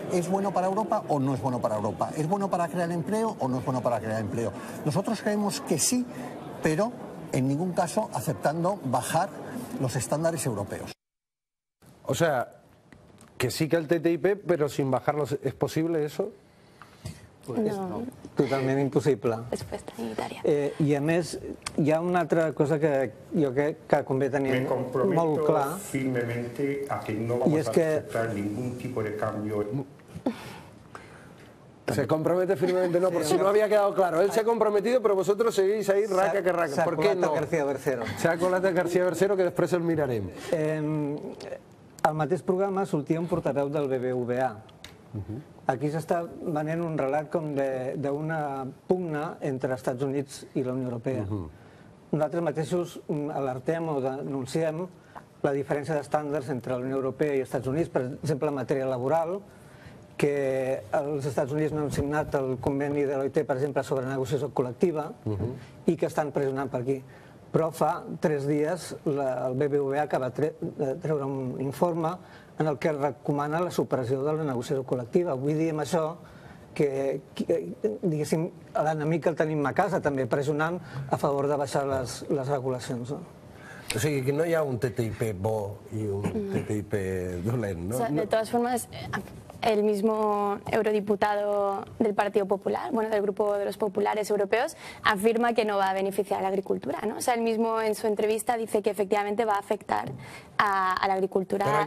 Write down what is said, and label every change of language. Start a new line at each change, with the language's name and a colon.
Spanish: ¿Es bueno para Europa o no es bueno para Europa? ¿Es bueno para crear empleo o no es bueno para crear empleo? Nosotros creemos que sí, pero en ningún caso aceptando bajar los estándares europeos. O sea, que sí que el TTIP, pero sin bajarlos, ¿es posible eso? Pues no.
Catalan: Totalment impossible. Resposta sanitària. I a més, hi ha una altra cosa que jo crec que convé tenir molt clar.
Spanish: Me comprometo firmemente a que no vamos a aceptar ningún tipo de cambio. Se compromete firmemente, no, por si no había quedado claro. Él se ha comprometido, pero vosotros seguís ahí raca que raca. ¿Por qué no? Sacolata García Bercero.
Catalan: Sacolata García Bercero, que després el mirarem. Al mateix programa sortia un portaveu del BBVA. Aquí s'està venent un relat com d'una pugna entre els Estats Units i la Unió Europea. Nosaltres mateixos alertem o denunciem la diferència d'estàndards entre la Unió Europea i els Estats Units, per exemple, en matèria laboral, que els Estats Units no han signat el conveni de l'OIT, per exemple, sobre negociació col·lectiva, i que estan pressionant per aquí. Però fa 3 dies el BBVA acaba de treure un informe en el que recomana la supressió de la negociació col·lectiva. Vull dir amb això que, diguéssim, l'enemic el tenim a casa també, pressionant a favor de baixar les regulacions. O sigui, que no hi ha un TTIP bo i un TTIP dolent, no? De totes formes,
Spanish: el mismo eurodiputado del Partido Popular, bueno, del Grupo de los Populares Europeos, afirma que no va a beneficiar a la agricultura, ¿no? O sea, él mismo en su entrevista dice que efectivamente va a afectar a la agricultura.